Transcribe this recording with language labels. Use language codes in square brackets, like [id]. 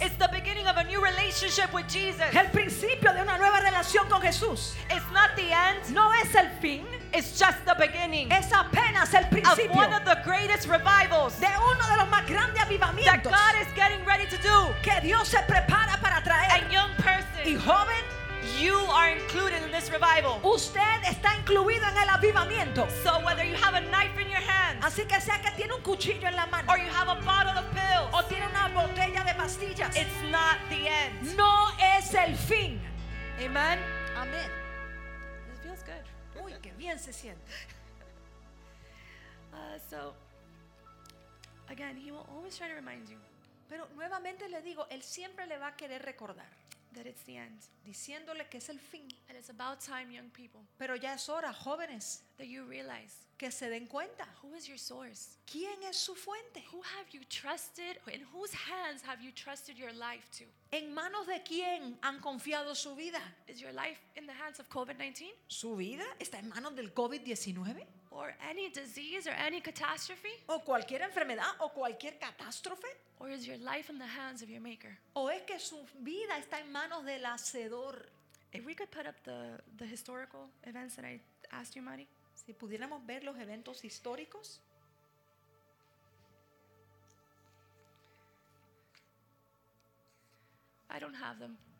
[en] It's the beginning of a new relationship with Jesus. [es] El principio de una nueva relación con Jesús. [en] It's not the end. [es] No es el fin. [en] It's just the beginning. [es] Es apenas el principio. [en] Of one of the greatest revivals. [es] De uno de los más grandes avivamientos. [en] That God is getting ready to do. [es] Que Dios se prepara para traer. [en] And young person. [es] Y joven. [en] You are included in this revival. [es] Usted está incluido en el avivamiento. [en] So whether you have a knife in your hand, [es] así que sea que tiene un cuchillo en la mano, [en] or you have a bottle of pills, [es] o tiene una botella de pastillas, [en] it's not the end. [es] No es el fin. [en] Amen. [es] Amen. [en] This feels good. [es] Uy, qué bien se siente. [en] So again, he will always try to remind you. [es] Pero nuevamente le digo, él siempre le va a querer recordar. [en] That it's the end. [es] Diciéndole que es el fin. [en] And it's about time, young people. [es] Pero ya es hora, jóvenes. [en] That you realize. [es] Que se den cuenta. [en] Who is your source? [es] ¿Quién es su fuente? [en] Who have you trusted? In whose hands have you trusted your life to? [es] ¿En manos de quién han confiado su vida? [en] Is your life in the hands of COVID-19? [es] ¿Su vida está en manos del COVID-19? [en] Or any disease or any catastrophe? [es] ¿O cualquier enfermedad o cualquier catástrofe? [en] Or is your life in the hands of your maker? [es] ¿O es que su vida está en manos del Hacedor? [en] If we could put up the historical events that I asked you, Mari. [es] Si pudiéramos ver los eventos históricos. [en] I don't have them.